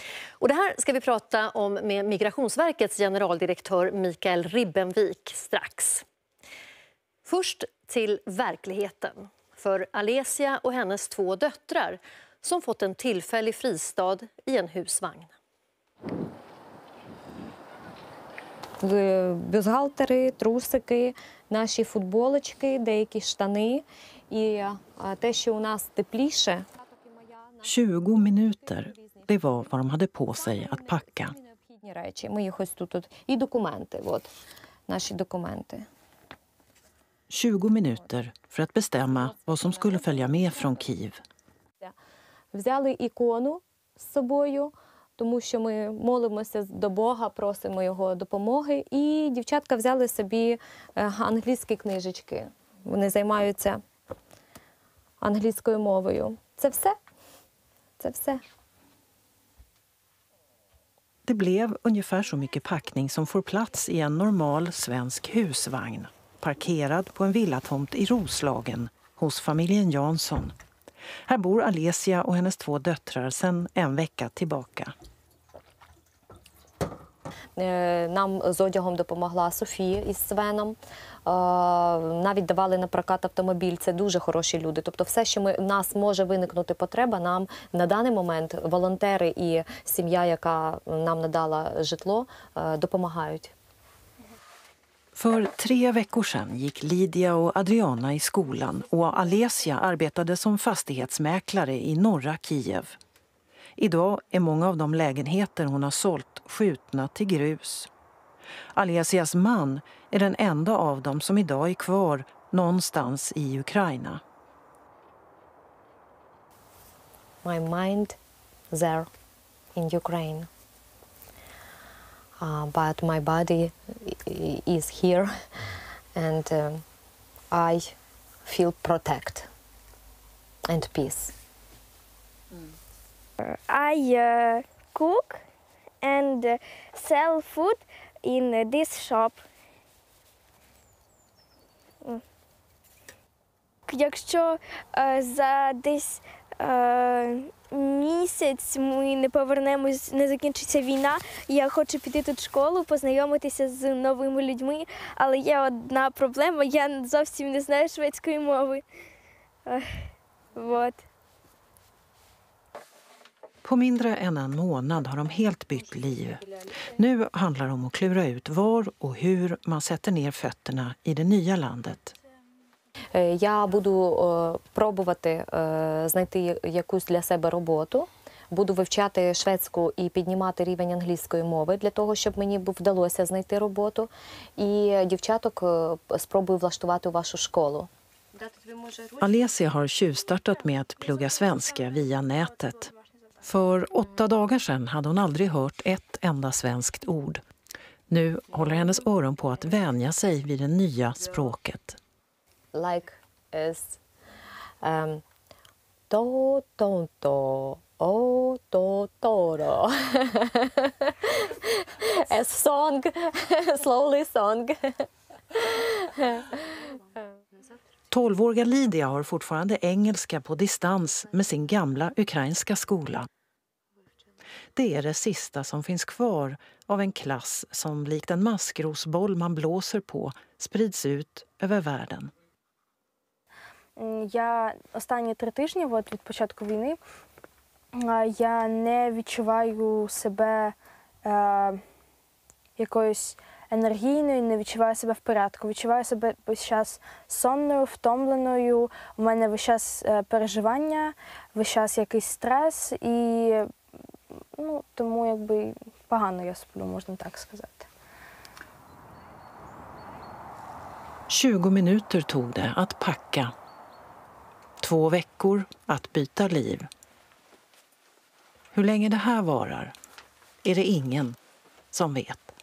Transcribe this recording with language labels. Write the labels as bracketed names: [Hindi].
[Swedish] Och det här ska vi prata om med Migrationsverkets generaldirektör Mikael Ribbenvik strax. Först till verkligheten för Alesia och hennes två döttrar som fått en tillfällig fristad i en husvagn. [Ukrainian] Бюстгальтери, трусики, наші футболочки, деякі штани і те, що у нас тепліше. [Swedish] 20 minuter. Det var vad de hade på sig att packa. [Ukrainian] Ми їх ось тут і документи, от наші документи. [Swedish] 20 minuter för att bestämma vad som skulle följa med från Kiev. [Ukrainian] Взяли ікону з собою, тому що ми молимося до Бога, просимо його допомоги, і дівчатка взяли собі англійські книжечки. Вони займаються англійською мовою. Це все? Це все. [Swedish] Det blev ungefär så mycket packning som får plats i en normal svensk husvagn, parkerad på en villatomt i Roslagen hos familjen Jansson. Här bor Alesia och hennes två döttrar sedan en vecka tillbaka. [Ukrainian] Нам з одягом допомогла Софія із Свеном. Навіть давали на прокат автомобіль. Це дуже хороші люди. Тобто все, що ми, в нас може виникнути потреба, нам на даний момент волонтери і сім'я, яка нам надала житло, допомагають. [Swedish] För tre veckor sedan gick Lydia och Adriana i skolan och Alesia arbetade som fastighetsmäklare i norra Kiev. Idag är många av de lägenheter hon har sålt skjutna till grus. Alesias man är den enda av dem som idag är kvar någonstans i Ukraina. [English] My mind there in Ukraine. But my body is here, and I feel protect and peace. I cook and sell food in this shop. [Ukrainian] Якщо за десь місяць ми не повернемось, не закінчиться війна. Я хочу піти тут в школу, познайомитися з новими людьми, але є одна проблема, я зовсім не знаю шведської мови. Вот. [Swedish] På mindre än en månad har de helt bytt liv. Nu handlar det om att klura ut var och hur man sätter ner fötterna i det nya landet. Jag [Ukrainian] буду пробувати знайти якусь для себе роботу. Буду вивчати шведську і піднімати рівень англійської мови для того, щоб мені вдалося знайти роботу. І дівчаток спробую влаштувати у вашу школу. [Swedish] Alesia har tjuvstartat med att plugga svenska via nätet. För 8 dagar sedan hade hon aldrig hört ett enda svenskt ord. Nu håller hennes öron på att vänja sig vid det nya språket. Like is to ton to o to toro. [English] A song, slowly song. [Swedish] 12-åriga Lydia har fortfarande engelska på distans med sin gamla ukrainska skola. Det är det sista som finns kvar av en klass som likt en maskrosboll man blåser på sprids ut över världen. Jag [Ukrainian] останні 3 тижні вот від початку війни я не відчуваю себе якоюсь енергійною, не відчуваю себе в порядку. Відчуваю себе весь час сонною, втомленою. У мене весь час переживання, весь час якийсь стрес. І ну, тому якби погано я сплю, можна так сказати. [Swedish] 20 minuter tog det att packa. 2 veckor att byta liv. Hur länge det här varar är det ingen som vet.